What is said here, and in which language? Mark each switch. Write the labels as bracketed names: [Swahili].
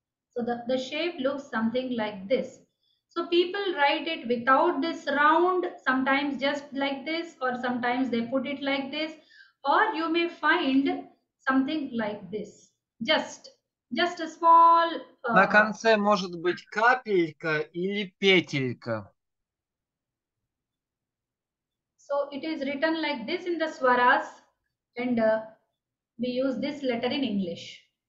[English] So the shape looks something like this. So people write it without this round, sometimes just like this, or sometimes they put it like this, or you may find something like this, just a small [Russian] на конце может быть капелька или петелька. [English] So it is written like this in the swaras, and we use this letter in English.